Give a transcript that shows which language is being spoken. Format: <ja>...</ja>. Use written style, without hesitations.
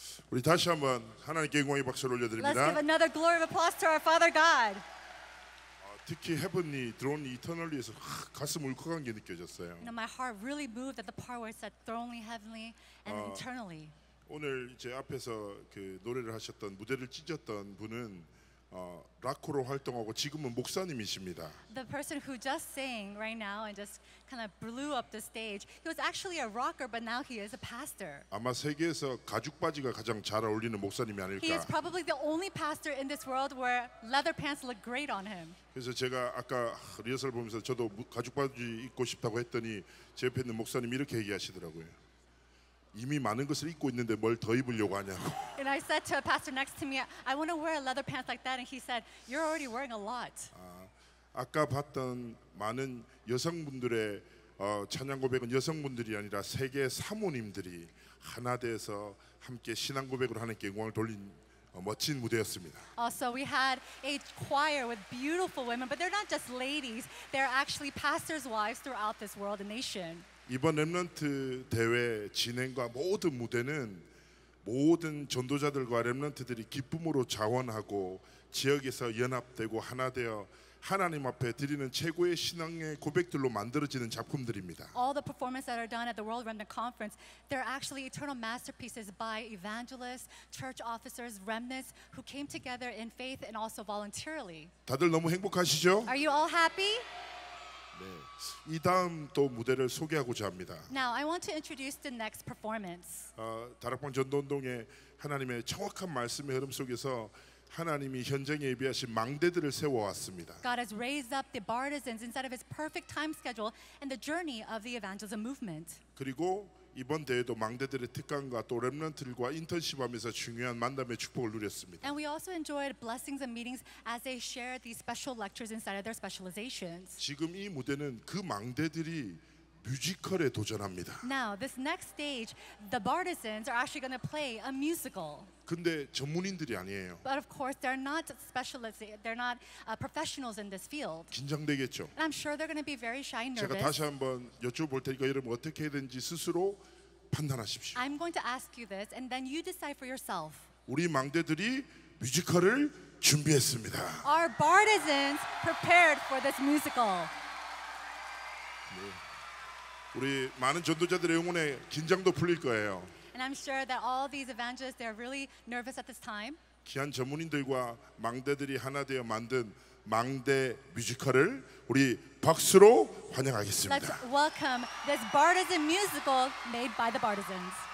<ko>우리 다시 한번 하나님께 영광의 박수를 올려드립니다.</ko> <en>Let's give another glory of applause to our Father God.</en> <ko>특히 헤븐이 드론 이터널리에서 가슴 울컥한 게 느껴졌어요.</ko> <en>You know, my heart really moved at the part where it said thronely, heavenly, and eternally.</en> <ko>오늘 이제 앞에서 그 노래를 하셨던 무대를 찢었던 분은 라코로 활동하고 지금은 목사님이십니다.</ko> <en>The person who just sang right now and just kind of blew up the stage, he was actually a rocker, but now he is a pastor.</en> <ko>아마 세계에서 가죽 바지가 가장 잘 어울리는 목사님이 아닐까?</ko> <en>He is probably the only pastor in this world where leather pants look great on him.</en> <ko>그래서 제가 아까 리허설 보면서 저도 가죽 바지 입고 싶다고 했더니 제 옆에 있는 목사님이 이렇게 얘기하시더라고요. 이미 많은 것을 입고 있는데 뭘 더 입으려고 하냐고.</ko> <en>And I said to a pastor next to me, I want to wear a leather pants like that. And he said, you're already wearing a lot.</en> <ko>아까 봤던 많은 여성분들의 찬양 고백은 여성분들이 아니라 세계 사모님들이 하나 돼서 함께 신앙 고백으로 하나님께 영광을 돌린 멋진 무대였습니다.</ko> <en>Also, we had a choir with beautiful women, but they're not just ladies. They're actually pastors' wives throughout this world and nation.</en> <ko>이번 렘넌트 대회 진행과 모든 무대는 모든 전도자들과 렘넌트들이 기쁨으로 자원하고 지역에서 연합되고 하나 되어 하나님 앞에 드리는 최고의 신앙의 고백들로 만들어지는 작품들입니다.</ko> <en>All the performances that are done at the World Remnant Conference, they're actually eternal masterpieces by evangelists, church officers, remnants who came together in faith and also voluntarily.</en> <ko>다들 너무 행복하시죠?</ko> <en>Are you all happy?</en> <ko>네. 이 다음 또 무대를 소개하고자 합니다.</ko> <en>Now I want to introduce the next performance.</en> <ko>다락방 전도운동의 하나님의 정확한 말씀의 흐름 속에서 하나님이 현장에 예비하신 망대들을 세워왔습니다.</ko> <en>God has raised up the bartizans inside of His perfect time schedule and the journey of the evangelism movement.</en> <ko>그리고 이번 대회도 망대들의 특강과 또 렘넌트들과 인턴십하면서 중요한 만남의 축복을 누렸습니다.</ko> <en>And we also enjoyed blessings and meetings as they shared these special lectures inside of their specializations.</en> <ko>지금 이 무대는 그 망대들이 뮤지컬에 도전합니다.</ko> <en>Now, this next stage, the bartizans are actually going to play a musical.</en> <ko>근데 전문인들이 아니에요.</ko> <en>But of course, they're not specialists. They're not professionals in this field.</en> <ko>긴장되겠죠.</ko> <en>And I'm sure they're going to be very shy and nervous.</en> <ko>제가 다시 한번 여쭤볼 테니까 여러분 어떻게 해야든지 스스로 판단하십시오.</ko> <en>I'm going to ask you this, and then you decide for yourself.</en> <ko>우리 망대들이 뮤지컬을 준비했습니다.</ko> <en>Our bartizans prepared for this musical.</en> <ko>네. 우리 많은 전도자들의 응원에 긴장도 풀릴 거예요.</ko> <en>And I'm sure that all these evangelists, they're really nervous at this time.</en> <ko>귀한 전문인들과 망대들이 하나 되어 만든 망대 뮤지컬을 우리 박수로 환영하겠습니다.</ko> <en>Let's welcome this bartizan musical made by the bartizans.</en>